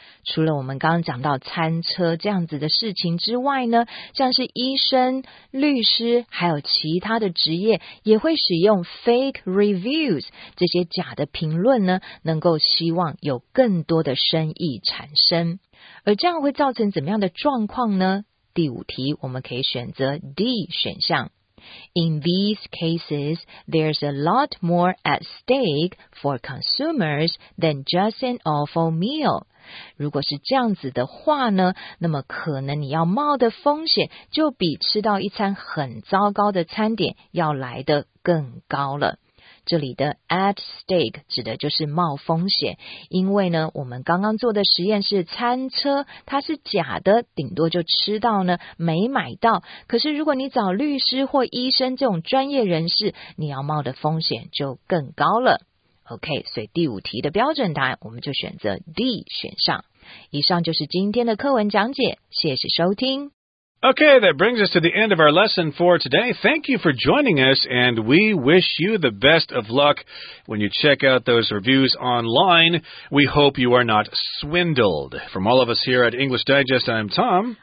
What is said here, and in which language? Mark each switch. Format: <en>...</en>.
<zh>除了我们刚刚讲到餐车这样子的事情之外呢，像是医生、律师，还有其他的职业，也会使用 fake reviews 这些假的评论呢，能够希望有更多的生意产生。而这样会造成怎么样的状况呢？第五题，我们可以选择 D 选项。</zh> <en>In these cases, there's a lot more at stake for consumers than just an awful meal.</en> <zh>如果是这样子的话呢，那么可能你要冒的风险就比吃到一餐很糟糕的餐点要来得更高了。这里的 at stake 指的就是冒风险，因为呢，我们刚刚做的实验是餐车，它是假的，顶多就吃到呢，没买到。可是如果你找律师或医生这种专业人士，你要冒的风险就更高了。 OK, 所以第五题的标准答案我们就选择 D 选项。以上就是今天的课文讲解，谢谢收听。</zh> <en>OK, that brings us to the end of our lesson for today. Thank you for joining us, and we wish you the best of luck when you check out those reviews online. We hope you are not swindled. From all of us here at English Digest, I'm Tom.</en>